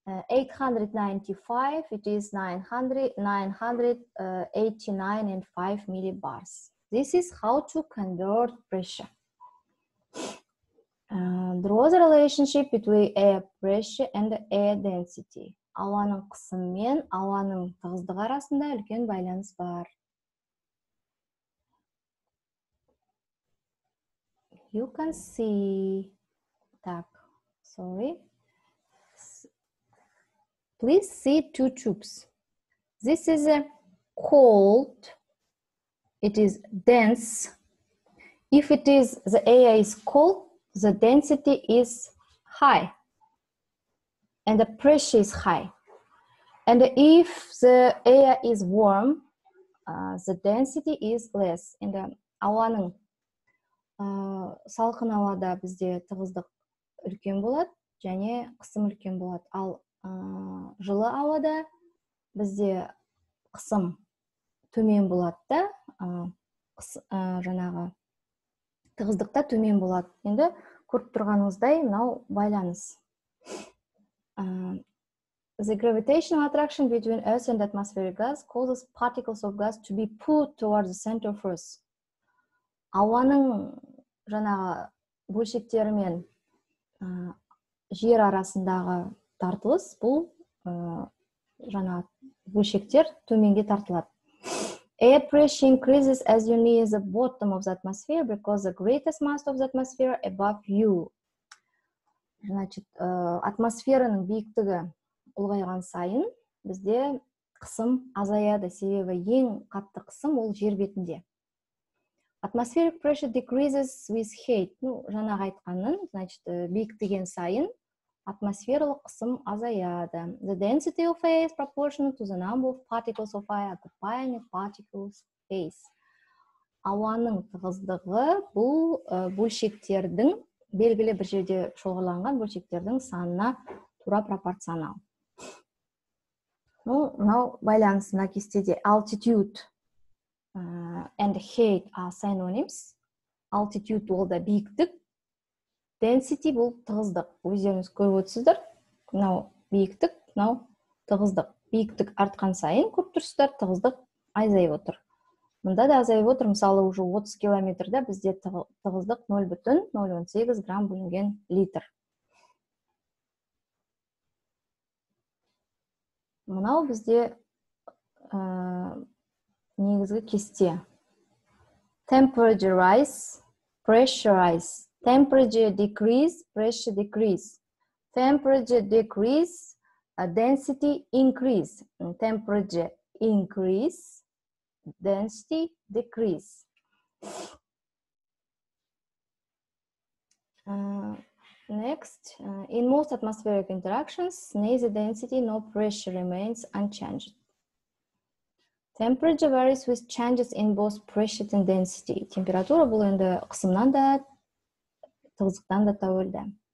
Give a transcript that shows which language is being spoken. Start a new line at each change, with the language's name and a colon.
English: 895, it is 989 and 5 millibars. This is how to convert pressure. Draw the relationship between air pressure and air density.
Kazakh: Ауаның қысымы мен ауаның тығыздығы арасында үлкен байланыс бар.
English: You can see. Так, sorry. Please see two tubes. This is a cold. It is dense. If it is, the air is cold, the density is high. and the pressure is high. And if the air is warm, the density is less.
Kazakh: And ауаның салқын ауада бізде тығыздық үлкен болады, және қысым үлкен болады. Ал жылы ауада бізде қысым төмен болады да, жаңағы тығыздықта төмен болады. Енді көріп тұрғаныңыздай, мынау байланыс.
English: The gravitational attraction between Earth and atmospheric gas causes particles of gas to be pulled towards the center of Earth.
Kazakh: Ауаның жаңағы бөлшектерімен жер арасындағы тартылыс, бұл жаңағы бөлшектер төменге тартылады.
English: Air pressure increases as you near the bottom of the atmosphere because the greatest mass of the atmosphere above you.
Kazakh: Значит, атмосфераның биіктігі ұлғайған сайын, бізде қысым азаяды, себебі ең қатты қысым ол жер бетінде.
English: Atmospheric pressure decreases with height.
Kazakh: Ну, жаңағы айтқанын, значит, биіктіген сайын атмосфералық қысым азаяды.
English: The density of air is proportional to the number of particles of air occupying particle space.
Kazakh: Ауаның тығыздығы бұл бөлшектердің, белгілі бір жерде шоғырланған бөлшектердің санына тура пропорционал. Ну, мынау байланысы на кестеде.
English: Altitude and height are synonyms.
Kazakh: Altitude ол да биіктік. Density бұл тығыздық. Өздеріңіз көріп отырсыздар. Мынау биіктік, мынау тығыздық. Биіктік артқан сайын көріп тұрсыздар, тығыздық азайып отыр. Мында да азайып отыр. Мысалы, уже 30 километрде бізде тығыздық 0,018 грамм бөлінген литр. Мынау бізде негізгі кесте.
English: Temperature rise, pressure rise. Temperature decrease, density increase. Temperature increase, density decrease. Next, in most atmospheric interactions, neither density nor pressure remains unchanged. Temperature varies with changes in both pressure and density.
Kazakh: Температура бұл енді қысымнан да, тығыздықтан да тәуелді.